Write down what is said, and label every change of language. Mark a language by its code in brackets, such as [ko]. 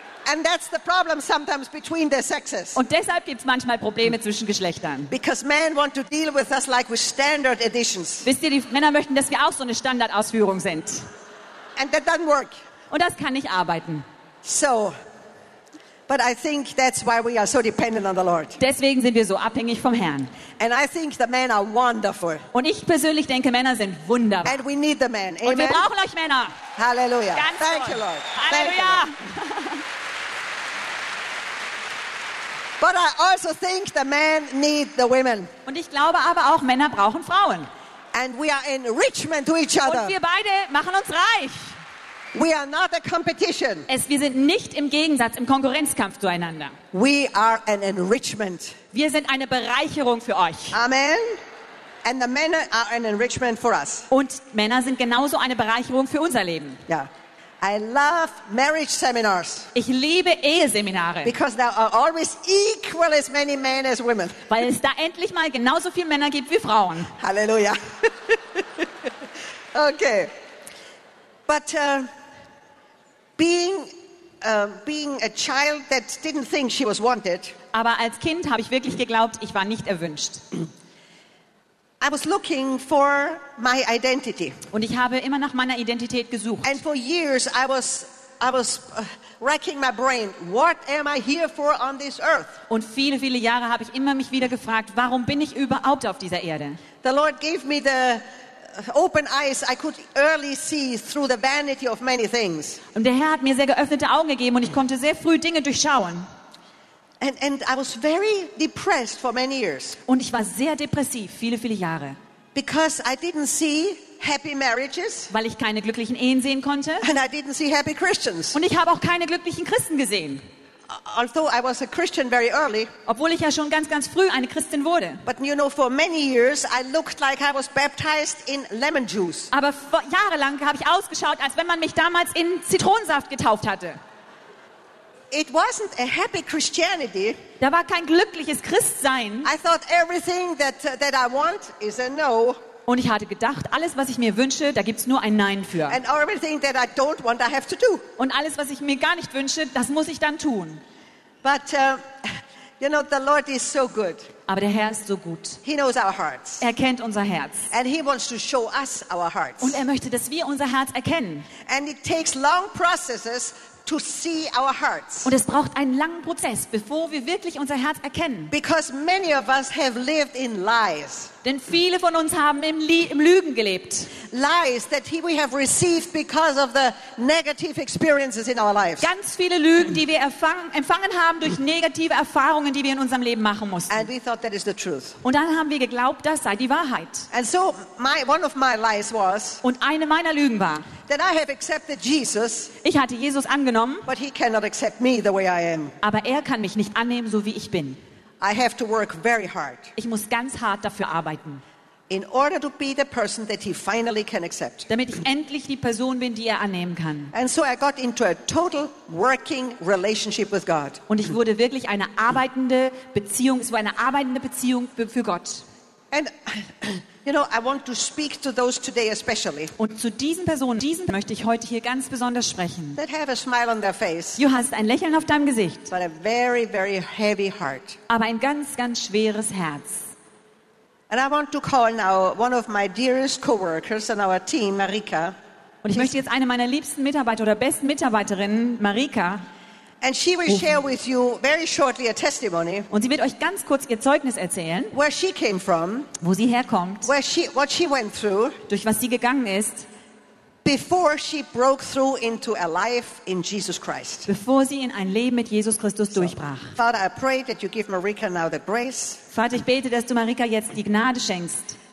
[en] And that's the problem sometimes between the sexes. [de] Und deshalb gibt's manchmal Probleme zwischen Geschlechtern. [en] Because men want to deal with us like with standard editions. [de] Wisst ihr, die Männer möchten, dass wir auch so eine Standardausführung sind. [en] And that doesn't work. [de] Und das kann nicht arbeiten. [en] So, but I think that's why we are so dependent on the Lord. [de] Deswegen sind wir so abhängig vom Herrn. [en] And I think the men are wonderful. [de] Und ich persönlich denke, Männer sind wunderbar. [en] And we need the men. Amen. [de] Und wir brauchen euch Männer. [en] Hallelujah. [de] Ganz [en] thank [de] gut. [en] you, Lord. [de] Hallelujah. [en] But I also think the men need the women. [de] Und ich glaube aber auch, Männer brauchen Frauen. [en] And we are enrichment to each other. [de] Und wir beide machen uns reich. [en] We are not a competition. [de] Wir sind nicht im Gegensatz, im Konkurrenzkampf zueinander. [en] We are an enrichment. [de] Wir sind eine Bereicherung für euch. Amen. [en] And the men are an enrichment for us. [de] Und Männer sind genauso eine Bereicherung für unser Leben. Ja. [en] Yeah. I love marriage seminars. [de] Ich liebe Eheseminare. [en] Because there are always equal as many men as women. [de] Weil es da endlich mal genauso viele Männer gibt wie Frauen. Halleluja. [en] Okay. But being a child that didn't think she was wanted. [de] Aber als Kind habe ich wirklich geglaubt, ich war nicht erwünscht. [en] I was looking for my identity. [de] Und ich habe immer nach meiner Identität gesucht. [en] And for years I was racking my brain. What am I here for on this earth? [de] Und viele, viele Jahre habe ich immer mich wieder gefragt, warum bin ich überhaupt auf dieser Erde? [en] The Lord gave me the open eyes I could early see through the vanity of many things. [de] Und der Herr hat mir sehr geöffnete Augen gegeben und ich konnte sehr früh Dinge durchschauen. [en] And I was very depressed for many years. [de] Und ich war sehr depressiv viele viele Jahre. [en] Because I didn't see happy marriages. [de] Weil ich keine glücklichen Ehen sehen konnte. [en] And I didn't see happy Christians. [de] Und ich habe auch keine glücklichen Christen gesehen. [en] Although I was a Christian very early. [de] Obwohl ich ja schon ganz ganz früh eine Christin wurde. [en] But you know, for many years I looked like I was baptized in lemon juice. [de] Aber jahrelang habe ich ausgeschaut, als wenn man mich damals in Zitronensaft getauft hatte. [en] It wasn't a happy Christianity. [de] Da war kein glückliches Christsein. [en] I thought everything that I want is a no. [de] Und ich hatte gedacht, alles, was ich mir wünsche, da gibt's nur ein Nein für. [en] And everything that I don't want, I have to do. [de] Und alles, was ich mir gar nicht wünsche, das muss ich dann tun. [en] But you know, the Lord is so good. [de] Aber der Herr ist so gut. [en] He knows our hearts. [de] Er kennt unser Herz. [en] And he wants to show us our hearts. [de] Und er möchte, dass wir unser Herz erkennen. [en] And it takes long processes to see our hearts. [de] Und es braucht einen langen Prozess, bevor wir wirklich unser Herz erkennen. [en] Because many of us have lived in lies. [de] Denn viele von uns haben im Lügen gelebt. [en] Lies that we have received because of the negative experiences in our lives. [de] Ganz viele Lügen, die wir empfangen haben durch negative Erfahrungen, die wir in unserem Leben machen mussten. [en] And we thought that is the truth. [de] Und dann haben wir geglaubt, das sei die Wahrheit. [en] And so one of my lies was. [de] Und eine meiner Lügen war. [en] That I have accepted Jesus. [de] Ich hatte Jesus angenommen. [en] But he cannot accept me the way I am. [de] Aber er kann mich nicht annehmen, so wie ich bin. [en] I have to work very hard. [de] Ich muss ganz hart dafür arbeiten. [en] In order to be the person that he finally can accept. [de] Damit ich endlich die Person bin, die er annehmen kann. [en] And so I got into a total working relationship with God. [de] Und ich wurde wirklich eine arbeitende Beziehung, so eine arbeitende Beziehung für Gott. [en] And you know, I want to speak to those today especially. [de] Und zu diesen Personen, diesen möchte ich heute hier ganz besonders sprechen. [en] That have a smile on their face. [de] Du hast ein Lächeln auf deinem Gesicht. [en] But a very, very heavy heart. [de] Aber ein ganz, ganz schweres Herz. [en] And I want to call now one of my dearest co-workers on our team, Marika. [de] Und ich möchte jetzt eine meiner liebsten Mitarbeiter oder besten Mitarbeiterinnen, Marika. [en] And she will share with you very shortly a testimony. [de] Und sie wird euch ganz kurz ihr Zeugnis erzählen. [en] Where she came from. [de] Wo sie herkommt. [en] Where she, what she went through. [de] Durch was sie gegangen ist. [en] Before she broke through into a life in Jesus Christ. [de] Bevor sie in ein Leben mit Jesus Christus so, durchbrach. [en] Father, I pray that you give Marika now the grace. [de] Vater, ich bete, dass du Marika jetzt die Gnade schenkst.